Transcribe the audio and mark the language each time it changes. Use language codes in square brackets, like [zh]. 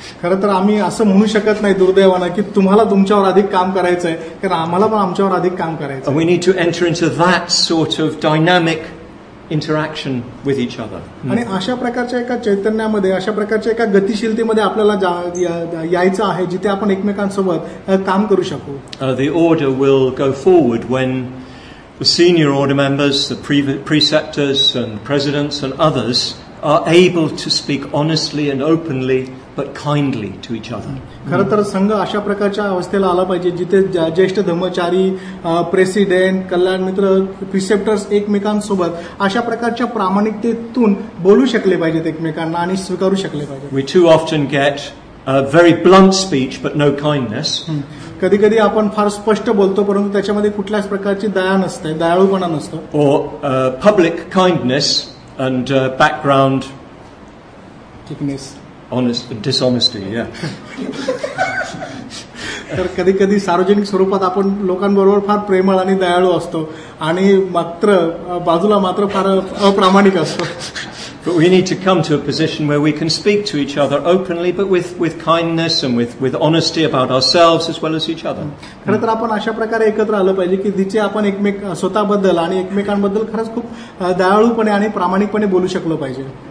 [mr] खरं तर आम्ही असं म्हणू शकत नाही दुर्दैवानं की तुम्हाला तुमच्यावर अधिक काम करायचंय, कारण आम्हाला पण आमच्यावर अधिक काम करायचं. [en] We need to enter into that sort of dynamic interaction with each other. [mr] आणि अशा प्रकारच्या एका चैतन्यामध्ये अशा प्रकारच्या एका गतिशीलतेमध्ये आपल्याला यायचं आहे जिथे आपण एकमेकांसोबत काम करू शकू. [en] The order will go forward when the senior order members, the preceptors and presidents and others are able to speak honestly and openly but kindly to each other. [mr] खरं तर संघ अशा प्रकारच्या अवस्थेला आला पाहिजे जिथे ज्येष्ठ धर्मचारी प्रेसिडेंट कल्याण मित्र प्रिसेप्टर्स एकमेकांसोबत अशा प्रकारच्या प्रामाणिकतेतून बोलू शकले पाहिजेत एकमेकांना आणि स्वीकारू शकले पाहिजे. [en] We too often get a very blunt speech but no kindness. [mr] कधी कधी आपण फार स्पष्ट बोलतो परंतु त्याच्यामध्ये कुठल्याच प्रकारची दया नसते दयाळूपणा नसतो. [en] Or public kindness and background thickness. Honest and dishonesty, yeah. [mr] तर कधी कधी सार्वजनिक स्वरूपात आपण लोकांबरोबर फार प्रेमळ आणि दयाळू असतो आणि मात्र बाजूला मात्र फार अप्रामाणिक असतो. [en] But we need to come to a position where we can speak to each other openly but with kindness and with honesty about ourselves as well as each other. [mr] खरं तर आपण अशा प्रकारे एकत्र आलं पाहिजे की जिथे आपण एकमेक स्वतःबद्दल आणि एकमेकांबद्दल खरंच खूप दयाळूपणे आणि प्रामाणिकपणे बोलू शकलो पाहिजे.